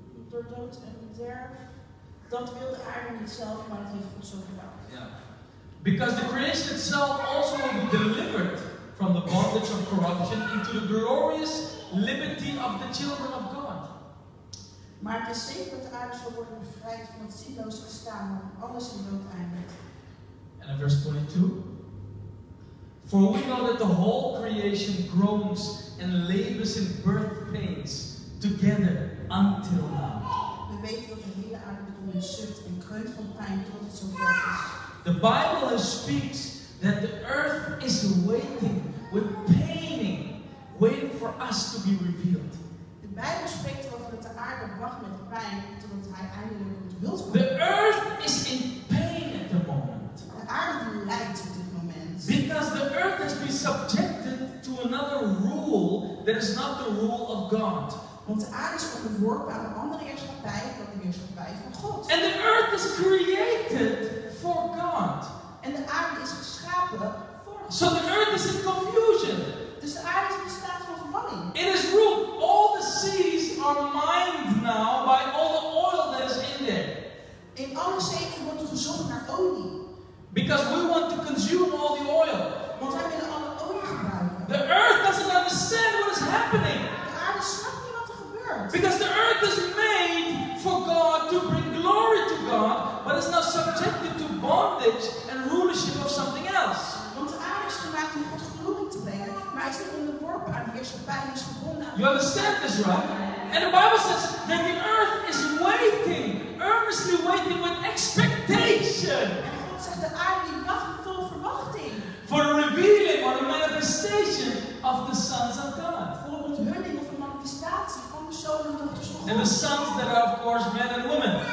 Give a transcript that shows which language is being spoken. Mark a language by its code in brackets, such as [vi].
[nl] Door dood en bederf. Dat wil de aarde niet zelf, maar het heeft God zo gedaan. [en] Because the creation itself also will be delivered from the bondage of corruption into the glorious liberty of the children of God. [nl] Maar het is zeker dat de aarde zal worden bevrijd van het zinloos bestaan, waar alles in dood eindigt. [en] And in verse 22. For we know that the whole creation groans and labors in birth pains together until now. [nl] We weten dat de hele aarde bedoeld zucht en kreunt van pijn tot het zover is. [en] The Bible speaks that the earth is waiting with paining, waiting for us to be revealed. [nl] De Bijbel spreekt over dat de aarde wacht met pijn totdat hij eindelijk het wilt komen. [en] The earth is in pain at the moment. [nl] De aarde lijdt op dit moment. [en] Because the earth has been subjected to another rule that is not the rule of God. [nl] Want de aarde is onderworpen aan een andere heerschappij dan de heerschappij van God. [en] And the earth is created for God. [nl] En de aarde is geschapen voor God. [en] So the earth is in confusion. [nl] Dus de aarde is in staat van verwarring. [en] It is ruled. All the seas are mined now by all the oil that is in there. [nl] In alle zeeën wordt er gezocht naar olie. [en] Because we want to consume all the oil. [nl] Want wij willen alle olie gebruiken. [en] The earth doesn't understand what is happening. [nl] De aarde snapt niet wat er gebeurt. [en] Because the earth is made for God to bring glory to God, but it's not subjected to bondage and rulership of something else. [nl] Want de aarde is gemaakt om God glorie te brengen, maar hij is onderworpen aan de heerschappij en is gebonden. [en] You understand this, right? And the Bible says that the earth is waiting, earnestly waiting with expectation. [nl] En God zegt de aarde wacht vol verwachting. [en] For the revealing or the manifestation of the sons of God. [nl] Voor de onthulling of de manifestatie van de zonen en dochters van God. [en] And the sons that are of course men and women.